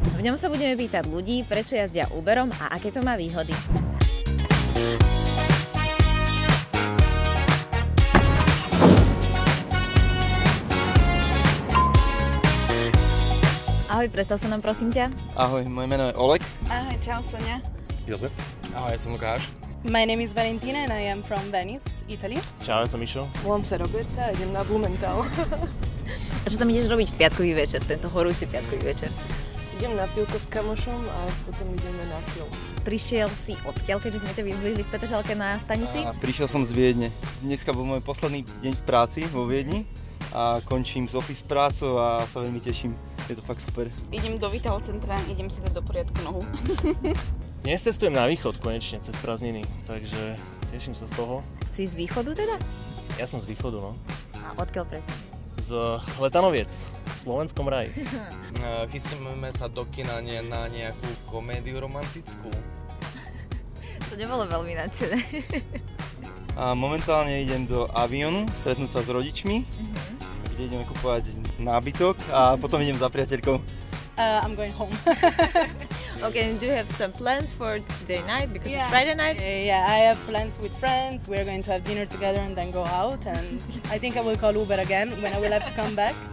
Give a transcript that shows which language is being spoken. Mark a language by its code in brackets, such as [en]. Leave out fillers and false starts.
[sk] V ňom sa budeme pýtať ľudí, prečo jazdia Uberom a aké to má výhody. Ahoj, predstav sa nám, prosím ťa. Ahoj, moje meno je Oleg. Ahoj, čau, Sonia. Jozef. Ahoj, ja som Lukáš. [en] My name is Valentina and I am from Venice, Italy. [sk] Čau, ja som Mišo. Volám sa Roberta a idem na Blumenthal. A čo tam ideš robiť v piatkový večer, tento horúci piatkový večer? Idem na pivko s kamošom a potom ideme na film. Prišiel si odkiaľ, keďže sme ťa vyzvihli v Petržalke na stanici? Prišiel som z Viedne. Dneska bol môj posledný deň v práci vo Viedni a končím z office prácu a sa veľmi teším. Je to fakt super. Idem do Vital centra, idem si dať do poriadku nohu. Dnes cestujem na východ konečne, cez prázdniny, takže teším sa z toho. Si z východu teda? Ja som z východu, no. A odkiaľ presne? Z Letanoviec, v Slovenskom raji. Chystíme sa do kina na nejakú komédiu romantickú. To nebolo veľmi nadšené. A momentálne idem do Avionu, stretnúť sa s rodičmi, mm-hmm. kde ideme kupovať nábytok a potom idem za priateľkou. [en] I'm going home. Okay, and do you have some plans for today night because it's Friday night? Yeah, I have plans with friends. We're going to have dinner together and then go out. And I think I will call Uber again when I will have to come back.